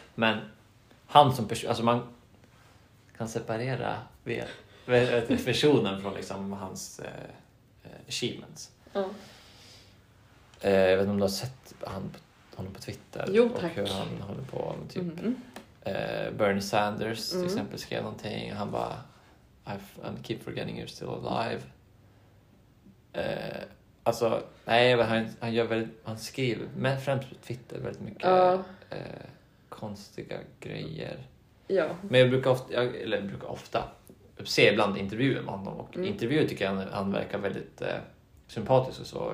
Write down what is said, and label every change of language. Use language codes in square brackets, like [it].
[sv] Men han som person, alltså man kan separera personen från liksom hans achievements. Ja. Jag vet inte om du har sett honom på Twitter. Jo, tack. Och hur han håller på med typ Bernie Sanders till exempel skrev någonting. Han bara, [en] I keep forgetting you're still alive. [sv] Alltså, nej, han skriver med främst på Twitter väldigt mycket konstiga grejer. Ja. Men jag brukar ofta se ibland intervjuer med honom. Och intervjuer tycker jag han verkar väldigt... sympatisk och så.